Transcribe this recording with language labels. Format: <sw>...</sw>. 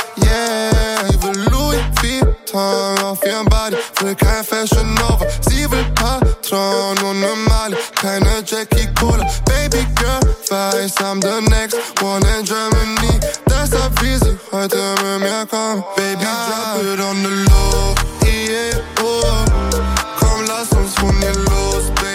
<de>Yeah, ich will Louis Vuitton auf ihrem Body. Will kein Fashion Nova, sie will Patron und ne Mali. Keine Jackie Cola, Baby Girl, weiß,</de> <en>I'm the next one in Germany.</en> <de>Deshalb will sie heute mit mir kommen.</de> <en>Baby, drop it on the low, yeah, oh.</en> <de>Komm, lass uns von hier los.</de>